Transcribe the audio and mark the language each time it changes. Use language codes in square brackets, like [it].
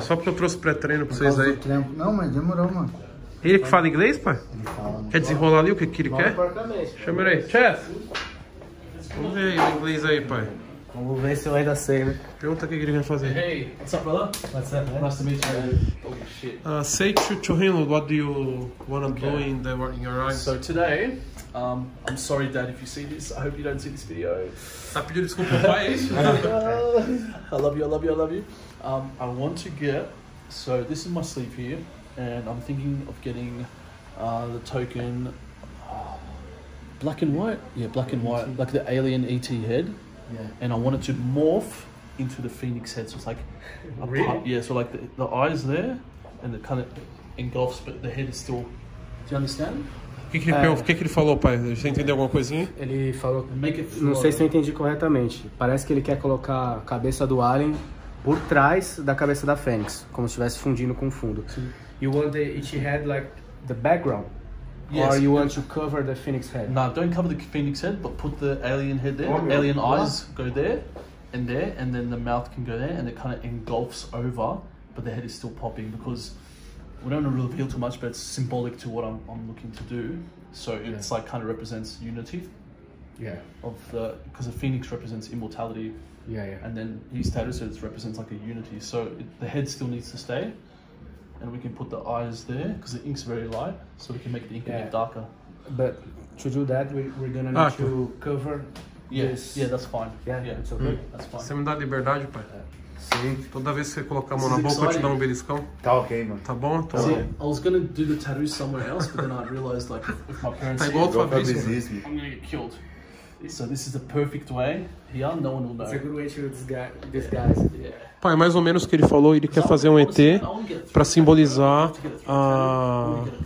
[pt] Só porque eu trouxe pré-treino pra por vocês aí. Não, mas demorou, mano. Ele que fala inglês, pai? Ele fala. Quer desenrolar ali o que ele quer? Porcamente. Chama ele aí. Chef! Vamos ver aí o inglês aí, pai. Vamos ver se eu ainda sei, né? Pergunta o que ele vai fazer. [en] Hey, what's up, brother? What's up, man? Nice to meet you, man. Holy shit. Say to him, what do you want to do in, in your eyes? So today, I'm sorry, Dad, if you see this. I hope you don't see this video. [pt] Tá pedindo desculpa, pai? [en] I love you. I want to get... So this is my sleeve here. And I'm thinking of getting the token... black and white? Yeah, black and white. Like the alien ET head. Yeah. And I want it to morph into the phoenix head. So it's like... Really? Yeah, so like the eye's there and it kind of engulfs, but the head is still... Do you understand? [pt] O que ele falou, pai? Você entendeu alguma coisinha? Ele falou... Não sei se eu entendi corretamente. Parece que ele quer colocar a cabeça do alien por trás da cabeça da Fênix, como se estivesse fundindo com o fundo. [en] You want the it head like the background? Yes. Or you want to cover the Phoenix head? No, don't cover the Phoenix head, but put the alien head there. Oh, alien eyes go there and there, and then the mouth can go there, and it kind of engulfs over, but the head is still popping because we don't want to reveal too much, but it's symbolic to what I'm looking to do. So it's like kind of represents unity. Yeah. Of the, because the Phoenix represents immortality. Yeah, yeah. And then his status represents like a unity. So it, the head still needs to stay. And we can put the eyes there because the ink's very light, so we can make the ink a bit darker. But to do that, we're gonna need to cover. Yes. Yeah, that's fine. Yeah, it's okay. That's fine. [pt] Você me dá liberdade, pai? Sim. Toda vez que você colocar a mão na boca, eu te dou um beliscão. Tá ok, mano. Tá bom? Tô. [en] See, I was gonna do the tattoo somewhere else, but then I realized like if my parents. [pt] Tá igual o Fabrício. [en] I'm gonna get killed. So this is the perfect way. Here, no one will know. It's a good way to disguise. Yeah. [pt] Pai, mais ou menos o que ele falou, ele quer fazer um ET pra simbolizar a...